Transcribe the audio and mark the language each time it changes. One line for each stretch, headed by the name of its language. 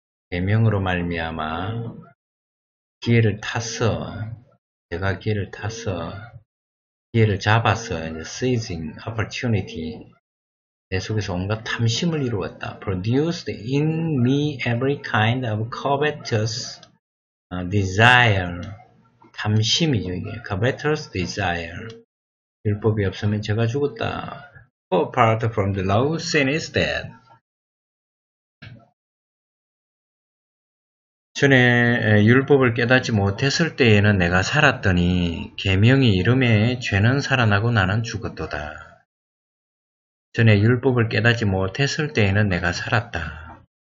Korean: 계명으로 말미암아 기회를 타서 죄가 기회를 타서 기회를 잡아서 이제
English: seizing opportunity.
Korean: 내 속에서 온갖 탐심을 이루었다.
English: Produced in me every kind of covetous desire.
Korean: 탐심이죠, 이게.
English: Covetous desire.
Korean: 율법이 없으면 제가 죽었다.
English: For apart from the law, sin is dead.
Korean: 전에 율법을 깨닫지 못했을 때에는 내가 살았더니 계명이 이름에 죄는 살아나고 나는 죽었도다. 전에 율법을 깨닫지 못했을 때에는 내가 살았다.